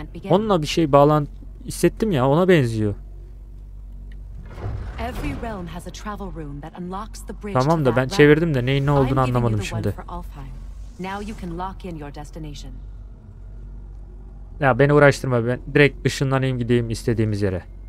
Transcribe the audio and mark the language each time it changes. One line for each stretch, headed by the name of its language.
Turkish: Onunla bir şey bağlan hissettim ya, ona benziyor.
English: Every realm has a travel room that unlocks the bridge.
Turkish: Tamam da ben çevirdim de neyin ne olduğunu anlamadım şimdi. Now you can lock in your destination. Ya beni uğraştırma, ben direkt ışınlanayım gideyim istediğimiz yere.